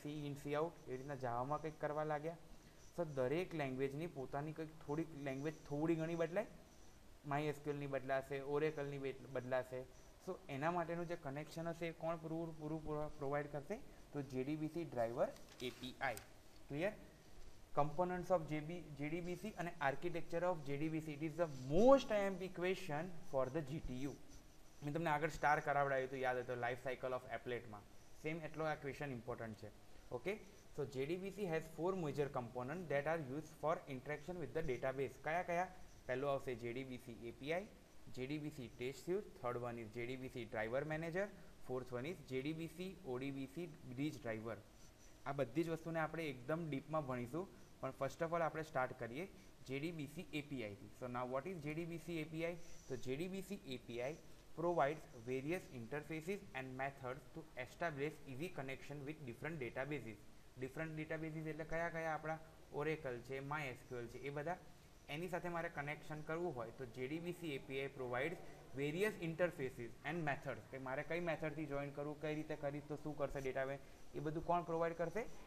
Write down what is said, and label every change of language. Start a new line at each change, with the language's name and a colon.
Gujarati: C in, C out, એ રીતના જાવામાં કંઈક કરવા લાગ્યા। સો દરેક લેંગ્વેજની પોતાની કંઈક થોડીક લેંગ્વેજ થોડી ઘણી બદલાય, MySQLની બદલાશે, ઓરેકલની બદલાશે, સો એના માટેનું જે કનેક્શન હશે એ કોણ પ્રોવાઈડ કરશે? તો JDBC driver API। Clear?
English: components of JDBC and architecture of JDBC, it is the most IMP question for the GTU।
Gujarati: મે તમને આગળ સ્ટાર કરાવડાયું તો યાદ હોય તો લાઈફ સાયકલ ઓફ એપ્લેટમાં સેમ એટલો આ ક્વેશ્ચન ઇમ્પોર્ટન્ટ છે।
English: Okay, so JDBC has four major component that are use for interaction with the database.
Gujarati: કયા કયા? પહેલું આવશે
English: JDBC API, JDBC Test Suite, third one is JDBC Driver Manager, fourth one is JDBC ODBC Bridge Driver.
Gujarati: આ બધી જ વસ્તુને આપણે એકદમ ડીપમાં ભણીશું, પણ ફર્સ્ટ ઓફ ઓલ આપણે સ્ટાર્ટ કરીએ JDBC API થી.
English: So now what is JDBC API?
Gujarati: તો
English: JDBC API provides various interfaces and methods to establish easy connection with different databases. Different databases
Gujarati: એટલે કયા કયા? આપણા Oracle છે, MySQL છે, એ બધા. એની સાથે મારે કનેક્શન કરવું હોય તો
English: JDBC API provides various interfaces and methods.
Gujarati: કે મારે કઈ મેથડથી જોઈન કરવું, કઈ રીતે કરીશ તો શું કરશે ડેટાબેઝ, એ બધું કોણ પ્રોવાઈડ કરશે?